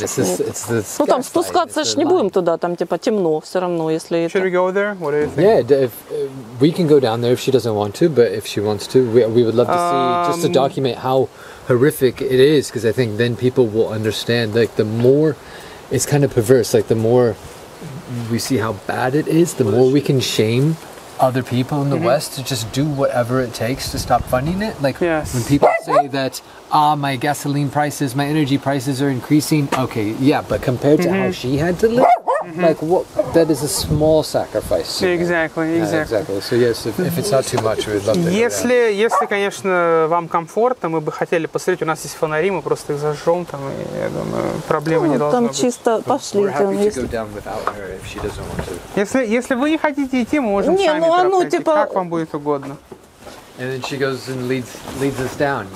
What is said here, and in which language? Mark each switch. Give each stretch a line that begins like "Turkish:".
English: It's
Russian: ну, там спускаться ж не будем туда, там типа темно все равно, если это...
English: Should we go there? What do you think? Yeah, if, we can go down there if she doesn't want to, but if she wants to, we would love to see, just to document how horrific it is, because I think then people will understand, like, the more, it's kind of perverse, like, the more we see how bad it is, the more we can shame other people in the mm-hmm. West to just do whatever it takes to stop funding it. Like, yes. When people say that, ah, oh, my gasoline prices, my energy prices are increasing, okay, yeah, but compared mm-hmm. to how she had to live, mm-hmm. like, what, that is a small sacrifice. Yeah, exactly, exactly. Yeah, exactly. So, yes, if it's not too much, we'd love to.
Russian: Если, если, конечно, вам комфортно, мы бы хотели посмотреть, у нас есть фонари, мы просто их зажжем, там, и, я думаю, проблемы не должно там чисто быть. Пошли.
English: We're happy to go down without her if she doesn't want to.
Russian: Если, если вы не хотите идти, мы можем не, сами ну, а ну, типа... как вам будет угодно.
English: And then she goes and leads us down.